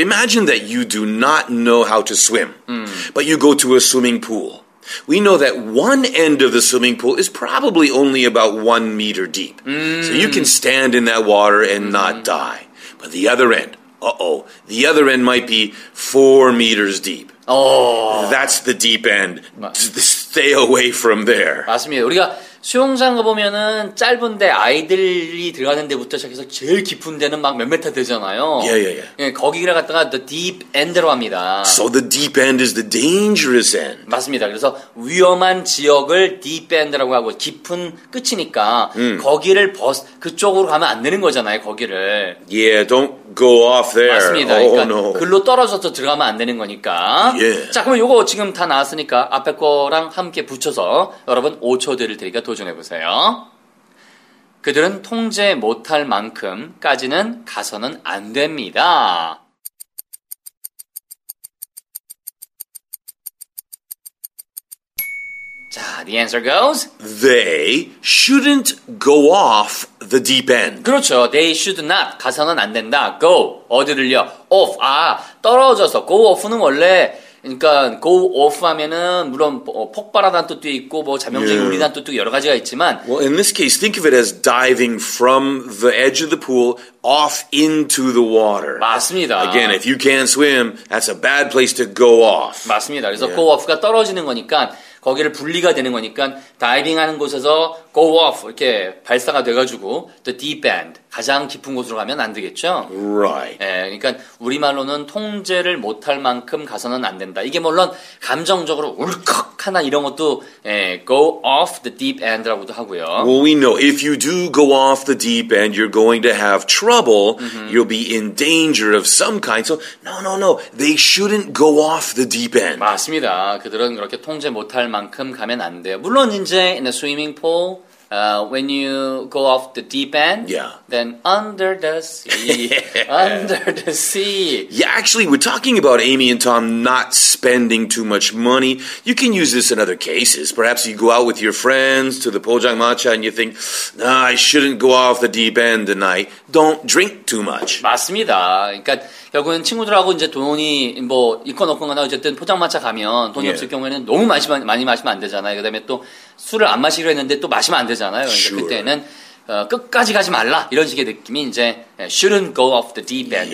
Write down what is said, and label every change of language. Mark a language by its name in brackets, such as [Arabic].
[English] Imagine that you do not know how to swim, but you go to a swimming pool. We know that one end of the swimming pool is probably only about 1 meter deep. So you can stand in that water and not die. But the other end, the other end might be 4 meters deep. Oh. That's the deep end. Stay away from there. [Korean] 맞습니다. 우리가 수영장 가보면은 짧은데 아이들이 들어가는 데부터 시작해서 제일 깊은 데는 막 몇 메타 되잖아요. [English] Yeah, yeah, yeah. [Korean] 예, 거기를 갔다가 the deep end로 합니다. [English] So the deep end is the dangerous end. [Korean] 맞습니다. 그래서 위험한 지역을 deep end라고 하고 깊은 끝이니까 거기를 버스 그쪽으로 가면 안 되는 거잖아요. 거기를. [English] Yeah, don't go off there. [Korean] 맞습니다. [English] Oh, [Korean] 그러니까 [English] no. [Korean] 글로 떨어져서 들어가면 안 되는 거니까. [English] Yeah. [Korean] 자, 그럼 이거 지금 다 나왔으니까 앞에 거랑 함께 붙여서 여러분 5초 뒤를 드릴게요. 도전해보세요. 그들은 통제 못할 만큼까지는 가서는 안 됩니다. [English] The answer goes, they shouldn't go off the deep end. [Korean] 그렇죠. [English] They should not. [Korean] 가서는 안 된다. Go. 어디를요? Off. 아, 떨어져서. Go off는 원래 그러니까 go off 하면은 물론 폭발하다는 뜻도 있고 뭐 자명적인 우리라는 yeah. 뜻도 여러 가지가 있지만 [English] Well, in this case, think of it as diving from the edge of the pool off into the water. [Korean] 맞습니다. [English] Again, if you can't swim, that's a bad place to go off. [Korean] 맞습니다. 그래서 yeah. go off가 떨어지는 거니까 거기를 분리가 되는 거니까 다이빙하는 곳에서 go off 이렇게 발사가 돼가지고 the deep end 가장 깊은 곳으로 가면 안 되겠죠? [English] Right. [Korean] 예, 그러니까 우리말로는 통제를 못할 만큼 가서는 안 된다. 이게 물론 감정적으로 울컥하나 이런 것도 예, go off the deep end라고도 하고요. [English] Well, we know if you do go off the deep end, you're going to have trouble. Mm-hmm. You'll be in danger of some kind. So, no. They shouldn't go off the deep end. [Korean] 맞습니다. 그들은 그렇게 통제 못할 만큼 가면 안 돼요. 물론 이제 [English] in a swimming pool, when you go off the deep end, yeah. then under the sea, under the sea. Yeah, actually, we're talking about Amy and Tom not spending too much money. You can use this in other cases. Perhaps you go out with your friends to the Pojang Matcha and you think, nah, I shouldn't go off the deep end tonight. Don't drink too much. [Korean] 맞습니다. 그러니까 결국은 친구들하고 이제 돈이 뭐 있건 없건가나 어쨌든 포장 마차 가면 돈이 yeah. 없을 경우에는 너무 많이 마시면 안 되잖아요. 그다음에 또 술을 안 마시기로 했는데 또 마시면 안 되잖아요. 그러니까 [English] sure. [Korean] 그때는 끝까지 가지 말라 이런 식의 느낌이 이제 shouldn't go off the deep end.